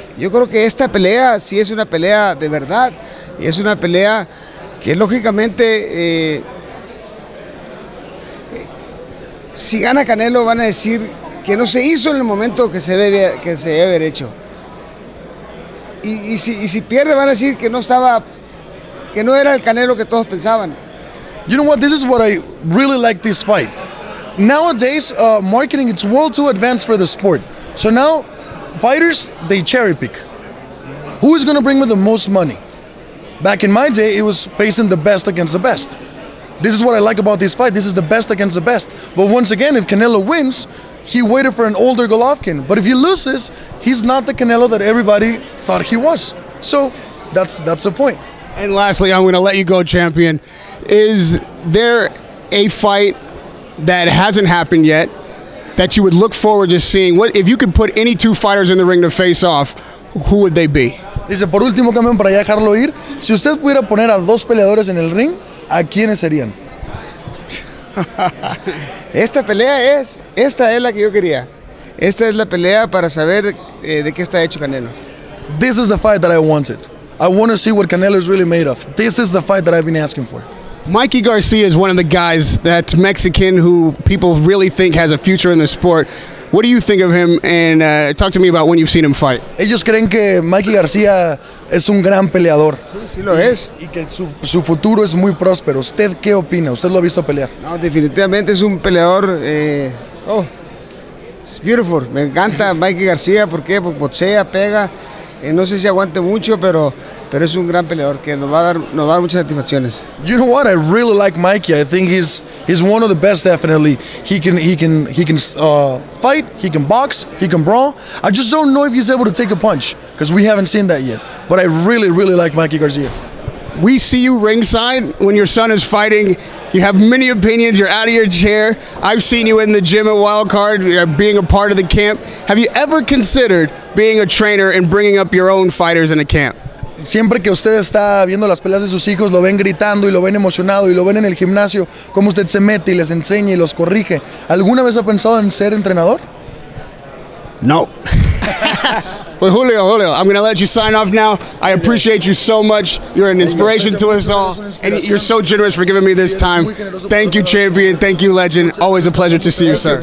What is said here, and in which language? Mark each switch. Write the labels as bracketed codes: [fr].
[es] Yo creo que esta pelea sí es una pelea de verdad y es una pelea que lógicamente si gana Canelo van a decir que no se hizo en el momento que se debe haber hecho. Y si pierde van a decir que no estaba, que no era el Canelo que todos pensaban. [en] You know what, this is what I really like this fight. Nowadays, marketing, it's world too advanced for the sport. So now, fighters, they cherry pick. Who is going to bring me the most money? Back in my day, it was facing the best against the best. This is what I like about this fight. This is the best against the best. But once again, if Canelo wins, he waited for an older Golovkin. But if he loses, he's not the Canelo that everybody thought he was. So that's the point. And lastly, I'm going to let you go, champion. Is there a fight that hasn't happened yet that you would look forward to seeing? What if you could put any two fighters in the ring to face off, who would they be? [es] Dice, por último, campeón, para ya dejarlo ir, si usted pudiera poner a dos peleadores en el ring, ¿a quiénes serían? Esta pelea es, esta es la que yo quería. Esta es la pelea para saber de qué está hecho Canelo. [en] This is the fight that I wanted. I want to see what Canelo is really made of. This is the fight that I've been asking for. Mikey Garcia is one of the guys that's Mexican who people really think has a future in the sport. What do you think of him? And talk to me about when you've seen him fight. [es] Ellos creen que Mikey Garcia es un gran peleador. Sí, sí lo es. Y que su futuro es muy próspero. ¿Usted qué opina? ¿Usted lo ha visto pelear? No, definitivamente es un peleador. [en] It's beautiful. [es] Me encanta Mikey Garcia. ¿Por qué? Porque boxea, pega. No sé si aguante mucho, pero es un gran peleador que nos va a dar muchas satisfacciones. [en] You know what? I really like Mikey. I think he's one of the best, definitely. He can fight, he can box, he can brawl. I just don't know if he's able to take a punch, because we haven't seen that yet. But I really, really like Mikey Garcia. We see you ringside when your son is fighting. You have many opinions. You're out of your chair. I've seen you in the gym at Wild Card, being a part of the camp. Have you ever considered being a trainer and bringing up your own fighters in a camp? Siempre que usted está viendo las peleas de sus hijos, lo ven gritando y lo ven emocionado y lo ven en el gimnasio, cómo usted se mete y les enseña y los corrige. ¿Alguna vez ha pensado en ser entrenador? [es] No. [en] Well, Julio, I'm going to let you sign off now. I appreciate you so much. You're an inspiration to us all. And you're so generous for giving me this time. Thank you, champion. Thank you, legend. Always a pleasure to see you, sir.